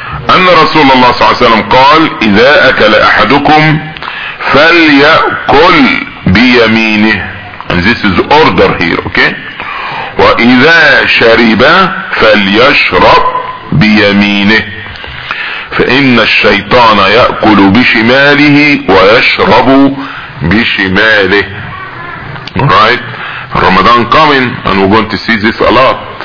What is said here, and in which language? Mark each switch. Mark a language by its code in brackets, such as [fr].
[ar] أن رسول الله صلى الله عليه وسلم قال إذا أكل أحدكم فليأكل بيمينه. [en] And this is order here, okay? [ar] وإذا شرب فليشرب بيمينه فإن الشيطان يأكل بشماله ويشرب بشماله. [en] Alright, Ramadan coming and we're going to see this a lot.